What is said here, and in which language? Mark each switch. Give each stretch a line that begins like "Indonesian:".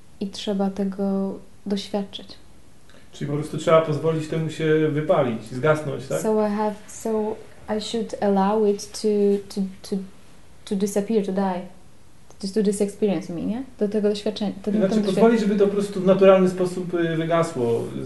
Polish: I trzeba tego doświadczyć. Czyli po prostu trzeba pozwolić temu się wypalić, zgasnąć, tak?
English: So I should allow it to disappear, to die. Just to this experience, mean, yeah?
Polish: Do tego doświadczenia. To znaczy pozwolić, żeby to po prostu w naturalny sposób wygasło.